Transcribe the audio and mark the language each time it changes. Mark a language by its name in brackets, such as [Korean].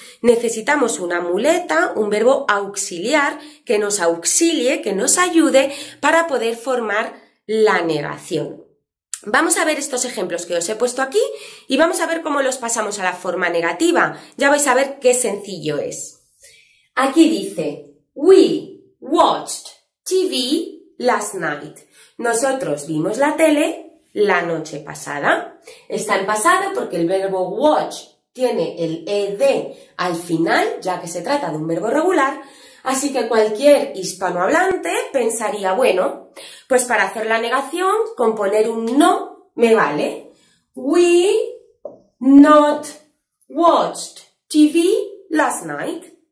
[Spanish] Necesitamos una muleta, un verbo auxiliar, que nos auxilie, que nos ayude para poder formar la negación. Vamos a ver estos ejemplos que os he puesto aquí y vamos a ver cómo los pasamos a la forma negativa. Ya vais a ver qué sencillo es. Aquí dice, [English] we watched TV last night. [Spanish] Nosotros vimos la tele la noche pasada. Está en pasado porque el verbo watch tiene el ed al final, ya que se trata de un verbo regular. Así que cualquier hispanohablante pensaría, bueno, pues para hacer la negación, con poner un no me vale. [English] We not watched TV last night.